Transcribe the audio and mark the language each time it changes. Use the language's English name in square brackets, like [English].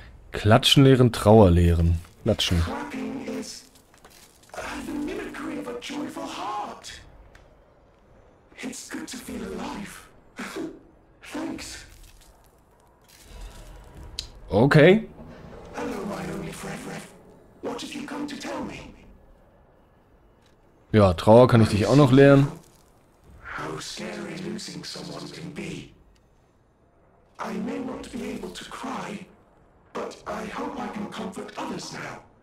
[German] Klatschen lehren, Trauer lehren. Klatschen. [English] Clapping is the mimicry of a joyful heart. It's good to feel alive. Thanks. Okay. Hello, my only friend. What have you come to tell me? [German] Ja, Trauer kann ich dich auch noch lehren. [English] How scary losing someone can be. I may not be able to cry. But I hope I can comfort others now.